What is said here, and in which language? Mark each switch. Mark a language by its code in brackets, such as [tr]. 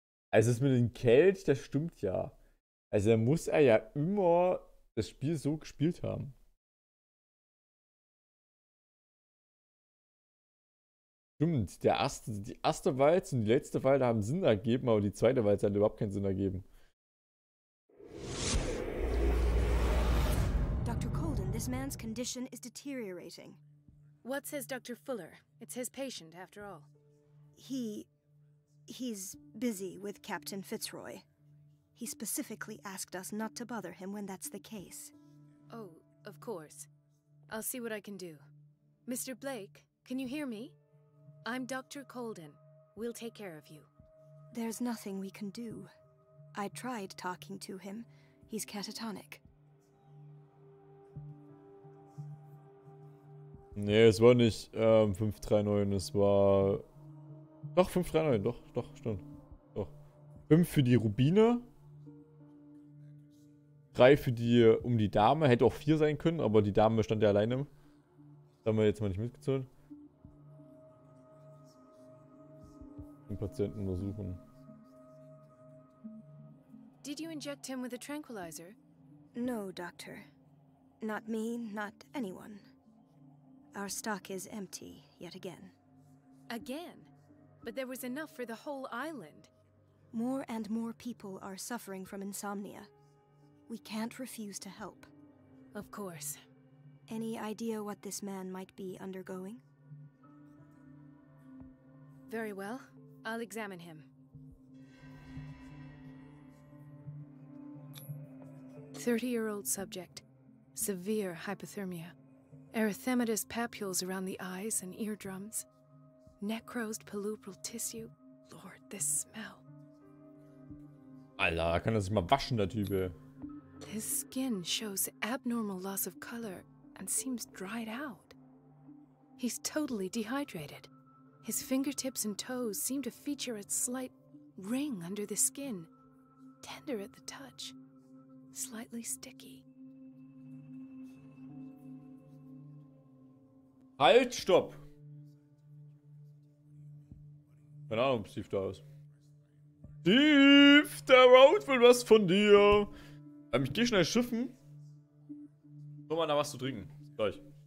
[de] Also das mit dem Kelch, das stimmt ja. Also da muss er ja immer das Spiel so gespielt haben. Stimmt, die erste Walze und die letzte Walze haben Sinn ergeben, aber die zweite Walze hat überhaupt keinen Sinn ergeben. [en] Dr. Colden, this man's condition is deteriorating. What says Dr. Fuller? It's his patient, after all. He's busy with Captain Fitzroy. He specifically asked us not to bother him when that's the case. Oh, of course. I'll see what I can do. Mr. Blake, can you hear me? I'm Dr. Colden. We'll take care of you. There's nothing we can do. I tried talking to him. He's catatonic. [de] Nee, es war nicht 539, es war... Doch, 539, doch, stimmt. Doch. 5 für die Rubine. 3 für die, um die Dame. Hätte auch 4 sein können, aber die Dame stand ja alleine. Das haben wir jetzt mal nicht mitgezählt. Den Patienten untersuchen. [en] Did you inject him with a tranquilizer? No, doctor. Not me, not anyone. Our stock is empty, yet again. Again? But there was enough for the whole island. More and more people are suffering from insomnia. We can't refuse to help. Of course. Any idea what this man might be undergoing? Very well. I'll examine him. 30-year-old subject. Severe hypothermia. Erythematous papules around the eyes and eardrums. Necrosed palpebral tissue. Lord, this smell. [de] Alter, kann er sich mal waschen, der Typ? [en] His skin shows abnormal loss of color and seems dried out. He's totally dehydrated. His fingertips and toes seem to feature a slight ring under the skin. Tender at the touch. Slightly sticky. [de] Halt, stopp! Keine Ahnung, Steve da ist. Steve, der Road will was von dir! Ich geh schnell schiffen. Hol mal da was zu trinken. Gleich.